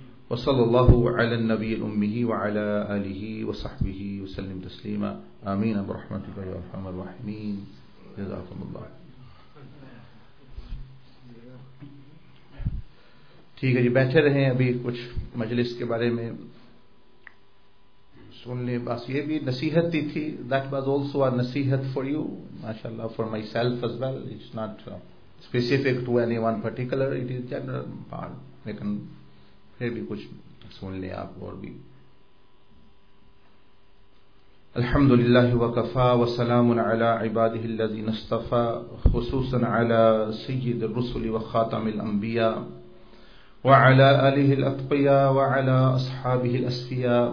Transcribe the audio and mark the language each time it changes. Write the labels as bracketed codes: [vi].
[ar] وصلى الله على النبي الأمه وعلى آله وصحبه وسلم تسليما آمين برحمتك يا أرحم الراحمين جزاكم الله. [ur] ٹھیک ہے جی, بیٹھے رہیں ابھی کچھ مجلس کے بارے میں سن لیں. بس یہ بھی نصیحت دی تھی, [en] that was also a nasihat for you, mashallah, for myself as well. It's not specific to any one particular, it is general part, [ur] لیکن پھر بھی کچھ سن لیں آپ. اور بھی [ar] الحمد للہ وکفا وسلام علی عباده الذین اصطفى, خصوصا علی سید الرسل وخاتم الانبیاء وعلی آلہ الاتقیاء وعلی اصحابہ الاسفیاء.